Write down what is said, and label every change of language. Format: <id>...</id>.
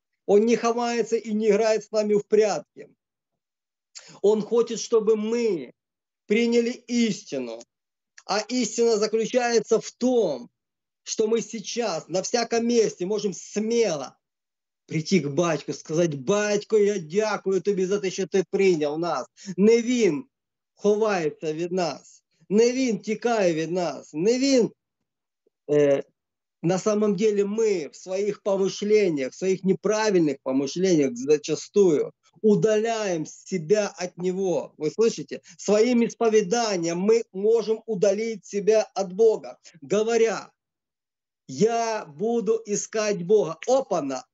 <ru>Он не ховается и не играет с нами в прятки. Он хочет, чтобы мы приняли истину. А истина заключается в том, что мы сейчас на всяком месте можем смело прийти к батьку, сказать:</ru> <uk>«Батько, я дякую тебе за то, що ти прийняв нас. Не він ховається від нас, не він тікає від нас, не він».</uk> <ru>На самом деле мы в своих помышлениях, в своих неправильных помышлениях зачастую удаляем себя от Него. Вы слышите? Своим исповеданием мы можем удалить себя от Бога, говоря: «Я буду искать Бога». Опа-на!</ru>